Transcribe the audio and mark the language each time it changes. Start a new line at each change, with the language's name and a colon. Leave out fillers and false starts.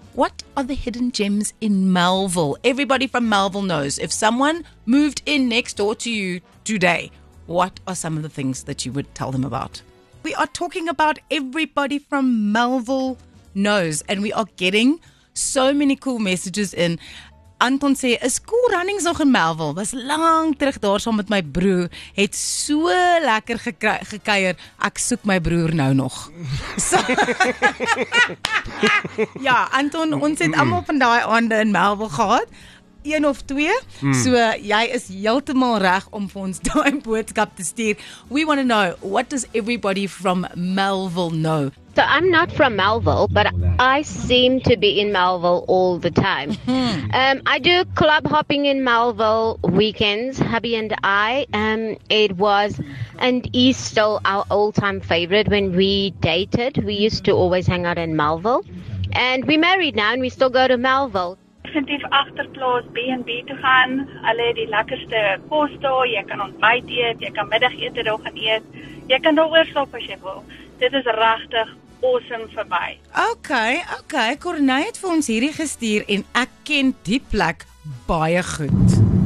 English: What are the hidden gems in Melville? Everybody from Melville knows. If someone moved in next door to you today, what are some of the things that you would tell them about? We are talking about everybody from Melville knows, and we are getting so many cool messages in.
Afrikaans: Anton sê, is Cool Runnings nog in Melville? Was lang terug daar saam met my broer. Het so lekker gekuier. Ek soek my broer nou nog. So, ja, Anton, ons het allemaal van die aande in Melville gehad. 1 of 2. Mm. So, jy is heeltemal reg om vir ons die boodskap te stuur.
English: We want to know, what does everybody from Melville know? So I'm not from Melville, but I seem to be in Melville all the time. I do club hopping in Melville weekends, hubby and I. It was and is still our all-time favorite when we dated. We used to always hang out in Melville. And we're married now and we still go to Melville.
Afrikaans: Definitief agterplaas B&B toe gaan. Hulle het die lekkerste kos daar. Jy kan ontbyt eet, jy kan middagete daar gaan eet. Jy kan daar oorslaap as jy wil. Dit is regtig awesome vir my. Okay. Corneille het vir ons hierdie gestuur en ek ken die plek baie goed.